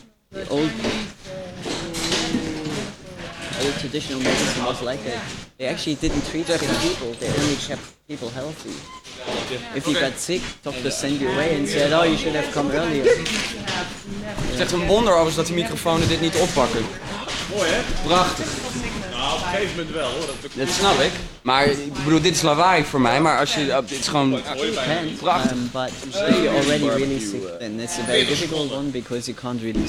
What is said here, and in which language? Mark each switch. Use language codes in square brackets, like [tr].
[en] The old traditional medicine was like it. They actually didn't treat sick people. They only kept people healthy. If you got sick, doctors send you away and said, "Oh, you should have come earlier." [nl] Het is echt een wonder overigens dat de microfonen dit niet oppakken. Mooi, hè? Prachtig. Nou, op een gegeven moment wel hoor. Dat snap ik. Maar ik bedoel, dit is lawaai voor mij, maar als je. Dit is gewoon prachtig. [en] But if you're already really sick, then it's a very difficult one because you can't really.